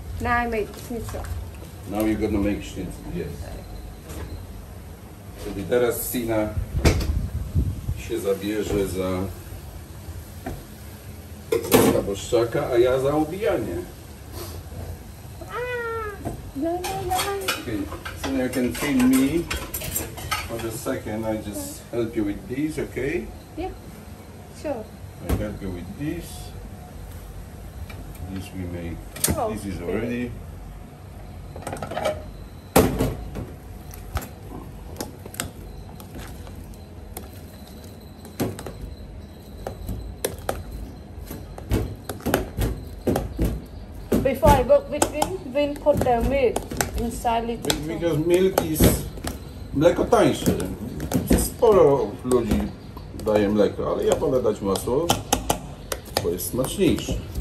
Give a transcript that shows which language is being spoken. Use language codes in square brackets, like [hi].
[en] Now I make schnitzel. Now you're gonna make schnitzel, yes. [pl] Czyli teraz Sina się zabierze za staboszczaka, a ja za ubijanie. [en] Okay. Sina, you can feed me for a second. I just help you with this, okay? Yeah, sure. I help you with this. This we make. Oh, this is already. Before I work with Vin put the milk inside it. Because milk is mleko tańsze. [pl] Sporo ludzi daje mleko, ale ja wolę dać masło, bo jest smaczniejsze.